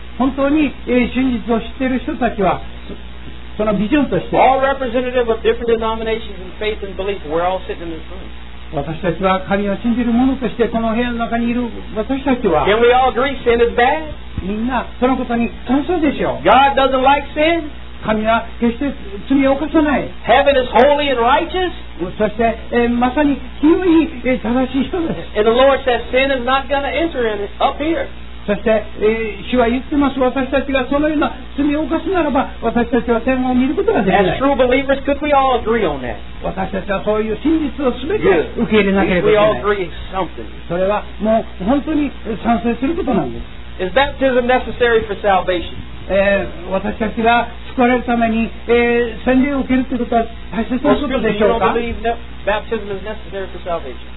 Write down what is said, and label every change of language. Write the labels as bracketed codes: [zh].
[ja] 本当に、真実を知っている人たちは、そのビジョンとして [en] all representative of different denominations and faith and belief, we're all sitting in this room. [ja] 私たちは神を信じる者としてこの部屋の中にいる私たちは [en] Can we all agree sin is bad? [ja] みんなそのことに賛成でしょう。 [en] God doesn't like sin. [ja] 神は決して罪を犯さない。 [en] Heaven is holy and righteous. [ja] そして、まさに清い正しい人です。 [en] And the Lord says sin is not going to enter in up here. [ja] そして、主は言ってます。私たちがそのような罪を犯すならば私たちは天を見ることができない。 [en] As true believers, could we all agree on that? [ja] 私たちはそういう真実を全て受け入れなければいけない。 [en] We all agree something. [ja] それはもう本当に賛成することなんです。 [en] Is baptism necessary for salvation? [ja] 私たちが救われるために、洗礼を受けるということは大切なことでしょうか? [en] You don't believe that baptism is necessary for salvation.